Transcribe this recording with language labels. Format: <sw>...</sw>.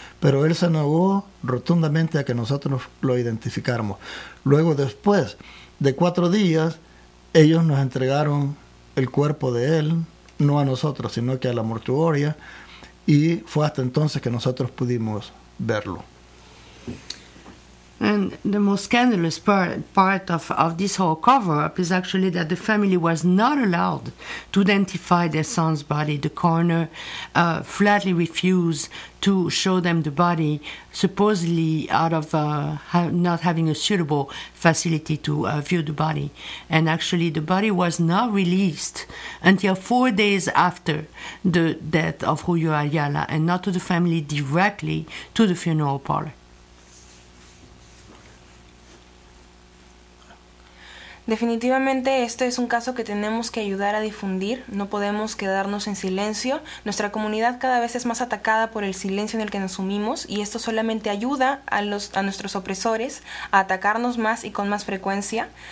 <es>Pero él se negó rotundamente a que nosotros lo identificáramos. Luego, después de 4 días, ellos nos entregaron el cuerpo de él, no a nosotros, sino que a la mortuoria, y fue hasta entonces que nosotros pudimos verlo.</es> <en>And the most scandalous part of this whole cover-up is actually that the family was not allowed to identify their son's body. The coroner flatly refused to show them the body, supposedly out of not having a suitable facility to view the body. And actually, the body was not released until 4 days after the death of Julio Ayala, and not to the family directly, to the funeral parlor.</en> <es>Definitivamente este es un caso que tenemos que ayudar a difundir, no podemos quedarnos en silencio. Nuestra comunidad cada vez es más atacada por el silencio en el que nos sumimos y esto solamente ayuda a nuestros opresores a atacarnos más y con más frecuencia.</es>